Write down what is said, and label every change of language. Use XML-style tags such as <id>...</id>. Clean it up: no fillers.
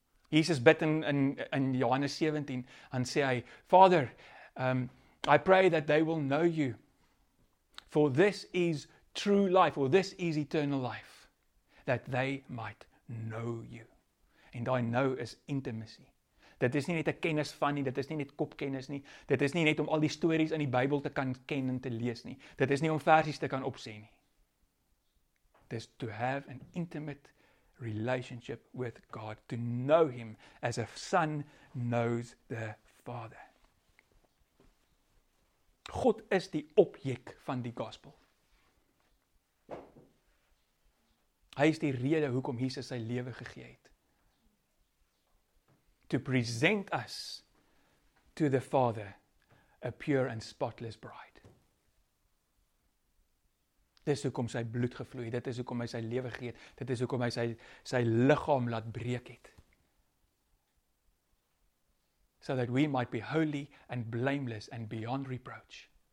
<af>Jesus bid in Johannes 17 and sê hy,</af> <en>Father, I pray that they will know you. For this is true life, or this is eternal life, that they might know you.</en> <af>En daai know is intimacy. Dit is nie net 'n kennis van nie, dit is nie net kopkennis nie. Dit is nie net om al die stories in die Bybel te kan ken en te lees nie. Dit is nie om versies te kan opsê nie. Dit is</af> <en>to have an intimate relationship with God, to know him as a son knows the Father.</en> <af>God is die objek van die gospel. Hy is die rede hoekom Jesus sy lewe gegee het.</af> <en>To present us to the Father, a pure and spotless bride.</en> <af>Dis hoekom sy bloed gevloei het, dit is hoekom hy sy lewe gegee het, dit is hoekom hy sy liggaam laat breek het.</af> <en>So that we might be holy and blameless and beyond reproach.</en>